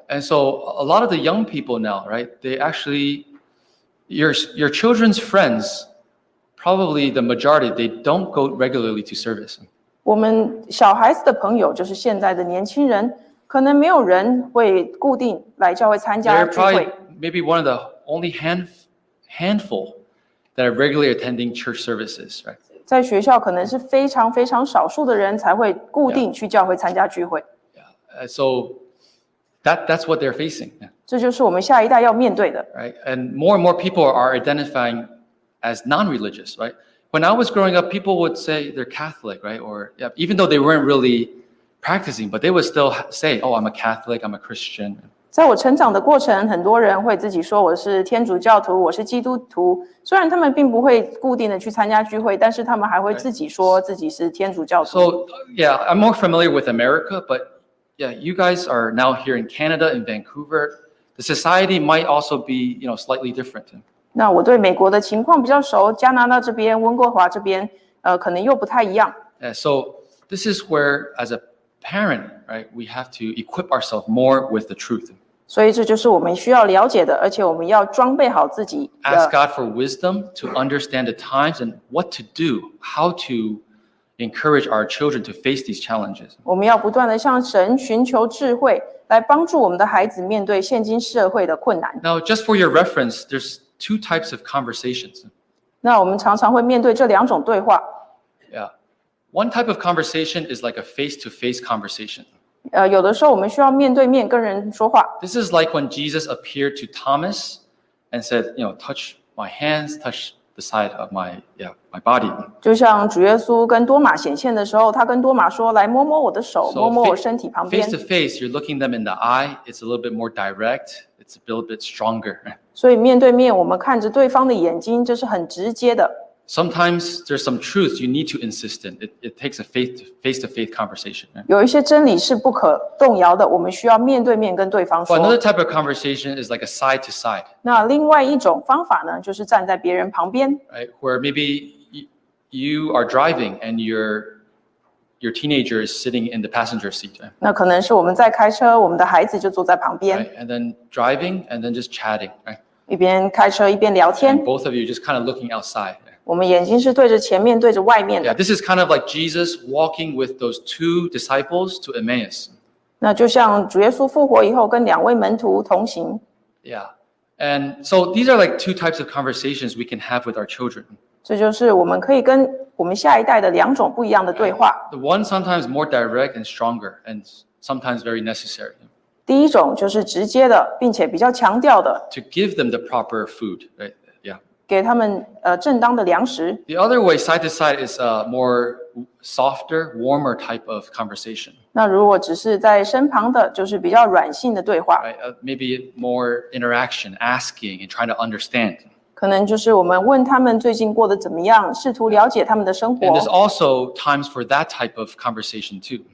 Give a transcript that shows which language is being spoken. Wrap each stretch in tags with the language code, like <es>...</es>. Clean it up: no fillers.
<en>And so a lot of the young people now, right? They actually, your children's friends, probably the majority, they don't go regularly to service.</en> <zh>我们小孩子的朋友，就是现在的年轻人，可能没有人会固定来教会参加聚会。</zh> <en>They're probably maybe one of the only handful that are regularly attending church services, right?</en> <zh>在学校可能是非常非常少数的人才会固定去教会参加聚会。</zh> <en>Yeah. So that's what they're facing. Yeah.</en> <zh>这就是我们下一代要面对的。</zh> <en>Right. And more people are identifying as non-religious. Right. When I was growing up, people would say they're Catholic. Right. Or yeah, even though they weren't really practicing, but they would still say, "Oh, I'm a Catholic. I'm a Christian."</en> <zh>在我成长的过程，很多人会自己说我是天主教徒，我是基督徒。虽然他们并不会固定的去参加聚会，但是他们还会自己说自己是天主教徒。</zh> <en>So yeah, I'm more familiar with America, but yeah, you guys are now here in Canada in Vancouver. The society might also be, you know, slightly different.</en> <zh>那我对美国的情况比较熟，加拿大这边、温哥华这边，可能又不太一样。</zh> <en>Yeah, so this is where as a parent, right? We have to equip ourselves more with the truth.</en> <zh>所以这就是我们需要了解的，而且我们要装备好自己。</zh> <en>Ask God for wisdom to understand the times and what to do, how to encourage our children to face these challenges.</en> <zh>我们要不断的向神寻求智慧，来帮助我们的孩子面对现今社会的困难。</zh> <en>Now, just for your reference, there's two types of conversations.</en> <zh>那我们常常会面对这两种对话。</zh> <en>Yeah. One type of conversation is like a face-to-face conversation.</en> <zh>有的时候我们需要面对面跟人说话。</zh> <en>This is like when Jesus appeared to Thomas and said, you know, touch my hands, touch the side of my body.</en> <zh>就像主耶稣跟多马显现的时候，他跟多马说，来摸摸我的手，摸摸我身体旁边。</zh> <en>Face-to-face, you're looking them in the eye. It's a little bit more direct. It's a little bit stronger.</en> <zh>所以面对面，我们看着对方的眼睛，这是很直接的。</zh> <en>Sometimes there's some truth you need to insist in. It takes a face-to-face conversation.</en> <zh>有一些真理是不可动摇的，我们需要面对面跟对方说。</zh> <en>But another type of conversation is like a side-to-side.</en> <zh>那另外一种方法呢，就是站在别人旁边。</zh> <en>Right, where maybe you are driving and your teenager is sitting in the passenger seat.</en> <zh>那可能是我们在开车，我们的孩子就坐在旁边。</zh> <en>Right, and then driving and then just chatting. Right,</en> <zh>一边开车一边聊天。</zh> <en>And both of you just kind of looking outside.</en> <zh>我们眼睛是对着前面，对着外面的。</zh> <en>Yeah, this is kind of like Jesus walking with those two disciples to Emmaus.</en> <zh>那就像主耶稣复活以后跟两位门徒同行。</zh> <en>Yeah, and so these are like two types of conversations we can have with our children.</en> <zh>这就是我们可以跟我们下一代的两种不一样的对话。</zh> <en>The one sometimes more direct and stronger, and sometimes very necessary.</en> <zh>第一种就是直接的，并且比较强调的。</zh> <en>To give them the proper food, right?</en> <zh>给他们正当的粮食。</zh> <en>The other way, side to side, is a more softer, warmer type of conversation.</en> <zh>那如果只是在身旁的，就是比较软性的对话。</zh> <en>Maybe more interaction, asking and trying to understand.</en> <zh>可能就是我们问他们最近过得怎么样，试图了解他们的生活。</zh> <en>And there's also times for that type of conversation too.</en>